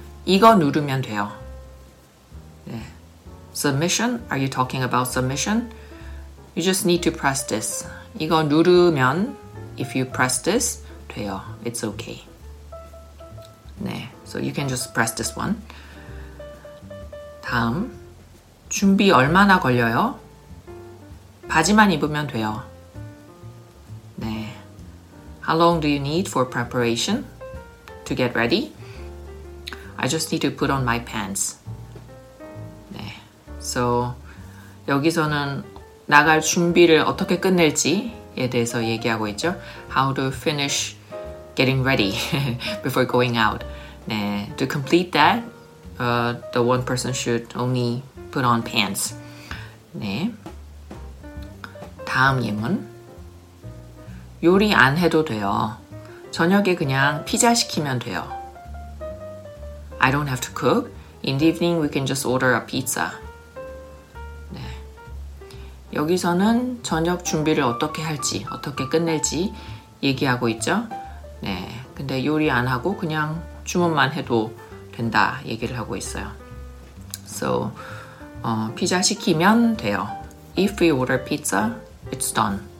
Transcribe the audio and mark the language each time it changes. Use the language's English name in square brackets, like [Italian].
[Korean] 이거 누르면 돼요. [English] 네, submission, are you talking about submission? You just need to press this. [Korean] 이거 누르면, [English] if you press this, [Korean] 돼요. [English] It's okay. 네, so you can just press this one. [Korean] 다음, 준비 얼마나 걸려요? 바지만 입으면 돼요. [English] 네, how long do you need for preparation to get ready? I just need to put on my pants. [Korean] 네, so 여기서는 나갈 준비를 어떻게 끝낼지 에 대해서 얘기하고 있죠. [English] How to finish getting ready before going out. 네, to complete that, the one person should only put on pants. [Korean] 네, 다음 예문. 요리 안 해도 돼요. 저녁에 그냥 피자 시키면 돼요. [English] I don't have to cook. In the evening, we can just order a pizza. [Korean] 여기서는 저녁 준비를 어떻게 할지, 어떻게 끝낼지 얘기하고 있죠. 네, 근데 요리 안 하고 그냥 주문만 해도 된다 얘기를 하고 있어요. [English] So, [Korean] 피자 시키면 돼요. [English] If we order pizza, it's done.